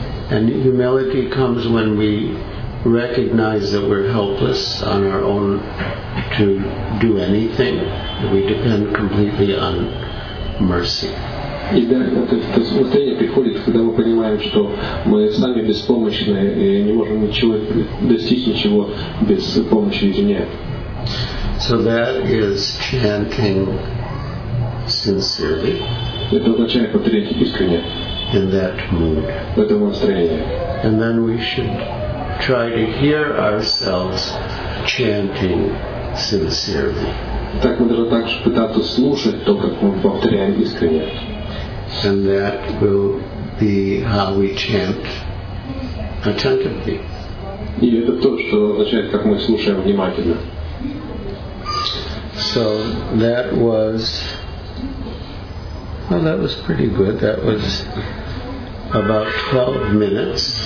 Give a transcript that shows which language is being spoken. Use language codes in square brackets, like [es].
[en] And humility comes when we recognize that we're helpless on our own to do anything, that we depend completely on mercy. [ru] И да, это состояние приходит, когда мы понимаем, что мы сами беспомощны и не можем ничего достичь ничего без помощи извне. [en] So that is chanting sincerely. [ru] Это означает повторять искренне. [en] In that mood. [ru] В этом настроении. [en] And then we should try to hear ourselves chanting sincerely. [ru] Так мы должны также пытаться слушать то, как мы повторяем искренне. [en] and that will be how we chant attentively. [ru] И это то, что означает, как мы слушаем внимательно. [en] So that was, well, that was pretty good. That was about 12 minutes.